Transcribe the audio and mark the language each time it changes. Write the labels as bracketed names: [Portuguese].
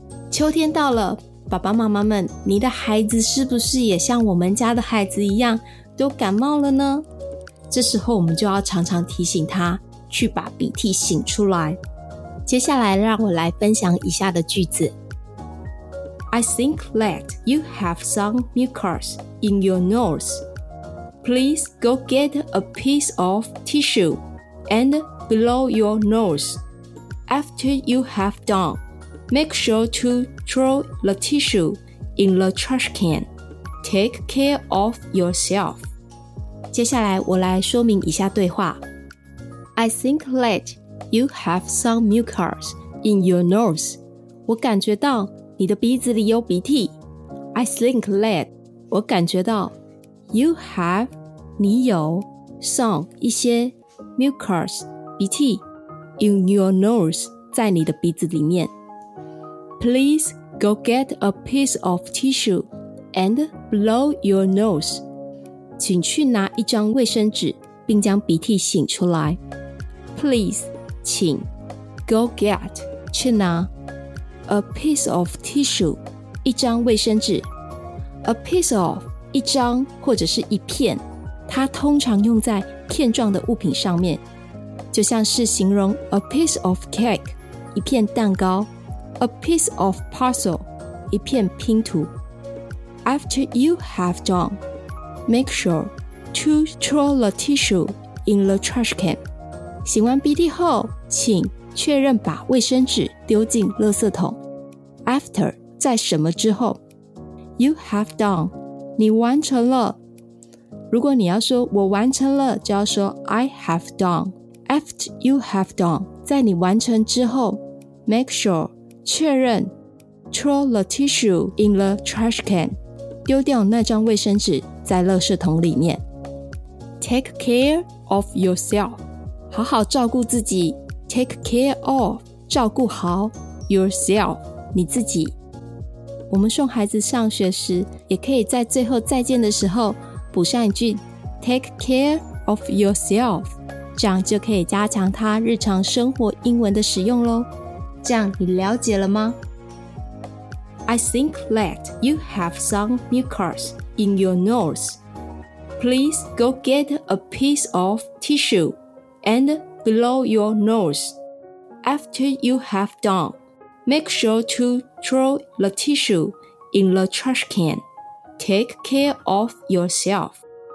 [Chinese] 秋天到了，爸爸妈妈们，你的孩子是不是也像我们家的孩子一样，都感冒了呢？这时候我们就要常常提醒他去把鼻涕擤出来。接下来让我来分享以下的句子。 [English] I think that you have some mucus in your nose. Please go get a piece of tissue and blow your nose. After you have done, make sure to throw the tissue in the trash can. Take care of yourself. [Chinese] 接下来我来说明一下对话。 [English] I think that you have some mucus in your nose. [Chinese] 我感觉到你的鼻子里有鼻涕。 [English] I think that [Chinese] 我感觉到 [English] you have [Chinese] 你有 [English] some [Chinese] 一些 [English] mucus [Chinese] 鼻涕 [English] in your nose [Chinese] 在你的鼻子里面。 [English] Please go get a piece of tissue and blow your nose. [Chinese] 请去拿一张卫生纸并将鼻涕擤出来。 [English] Please [Chinese] 请 [English] Go get [Chinese] 去拿 [English] A piece of tissue [Chinese] 一张卫生纸。 [English] A piece of [Chinese] 一张或者是一片，它通常用在片状的物品上面，就像是形容 [English] A piece of cake [Chinese] 一片蛋糕， [English] A piece of parcel [Chinese] 一片拼图。 [English] After you have done,Make sure to throw the tissue in the trash can. [Chinese] 擤完鼻涕后，请确认把卫生纸丢进垃圾桶。 [English] After [Chinese] 在什么之后 [English] ？You have done. [Chinese] 你完成了。如果你要说我完成了，就要说 [English] I have done. After you have done， [Chinese] 在你完成之后 [English] ，Make sure [Chinese] 确认 [English] throw the tissue in the trash can， [Chinese] 丢掉那张卫生纸。在垃圾桶里面。 [English] Take care of yourself， [Chinese] 好好照顾自己。 [English] Take care of， [Chinese] 照顾好 [English] yourself， [Chinese] 你自己。我们送孩子上学时，也可以在最后再见的时候补上一句 [English] Take care of yourself， [Chinese] 这样就可以加强他日常生活英文的使用咯。这样你了解了吗？ [English] I think that you have some mucusIn your nose. Please go get a piece of tissue and blow your nose. After you have done, make sure to throw the tissue in the trash can. Take care of yourself.